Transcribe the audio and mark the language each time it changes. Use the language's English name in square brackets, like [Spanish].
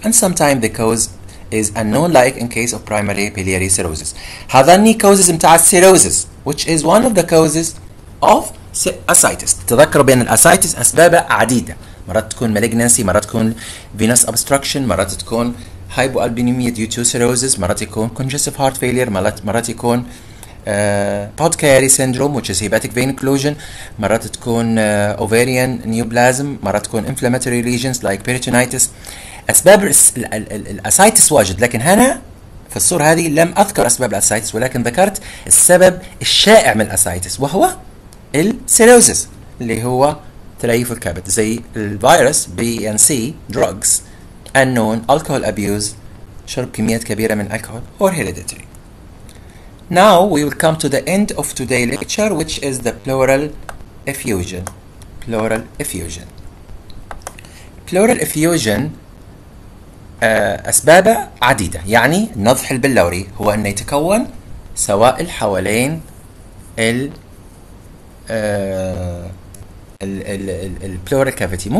[English] And sometime the cause is unknown like in case of primary biliary cirrhosis. هذاني causes متاع cirrhosis which is one of the causes of ascites. [Arabic] تذكروا بأن الاسايتس أسبابها عديدة، [English] مرات تكون malignancy، مرات تكون venous obstruction، مرات تكون hypoalbuminemia due to cirrhosis، مرات يكون congestive heart failure، مرات يكون podcary syndrome which is hepatic vein occlusion، مرات تكون ovarian neoplasm، مرات تكون inflammatory lesions like peritonitis. [Arabic] أسباب الأسايتس واجد، لكن هنا في الصورة هذه لم أذكر أسباب الأسايتس، ولكن ذكرت السبب الشائع من الأسايتس وهو السيروزيس اللي هو تليف الكبد زي الفيروس [English] B and C drugs unknown alcohol abuse [Arabic] شرب كميات كبيرة من الكحول or hereditary. [English] Now we will come to the end of today lecture which is the pleural effusion. Pleural effusion. [Arabic] Pleural effusion أسبابه عديدة، يعني النضح البلوري هو أن يتكون سوائل حوالين ال pleural cavity.